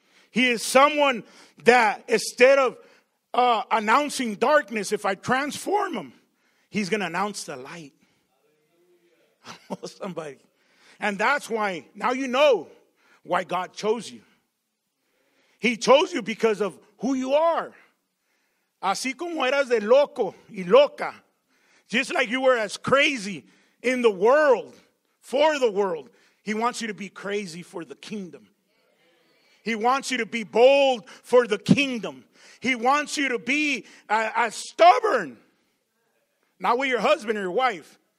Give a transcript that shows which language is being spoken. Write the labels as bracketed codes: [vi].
[en] He is someone that instead of announcing darkness, if I transform him, he's going to announce the light. Somebody. And that's why, now you know why God chose you. He chose you because of who you are. [es] Así como eras de loco y loca. [en] Just like you were as crazy in the world, for the world. He wants you to be crazy for the kingdom. He wants you to be bold for the kingdom. He wants you to be as stubborn. Not with your husband or your wife.